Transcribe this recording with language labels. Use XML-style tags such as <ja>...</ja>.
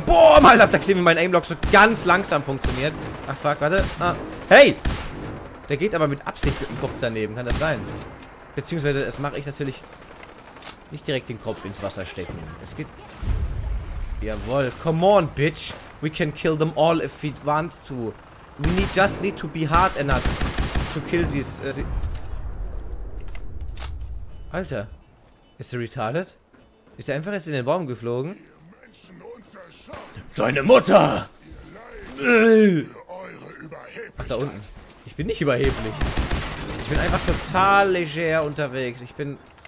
<de>Boah, mal hab da gesehen, wie mein Aimlock so ganz langsam funktioniert. Ach, fuck, warte. Ah. Hey! Der geht aber mit Absicht mit dem Kopf daneben, kann das sein? Beziehungsweise, das mache ich natürlich nicht direkt den Kopf ins Wasser stecken. Es geht... Jawohl,</de> <en>come on, bitch. We can kill them all if we want to. We just need to be hard enough to kill these...</en> <de>Alter, ist der retarded? Ist er einfach jetzt in den Baum geflogen? Deine Mutter! Ach, da unten. Ich bin nicht überheblich. Ich bin einfach total leger unterwegs. Ich bin...</de>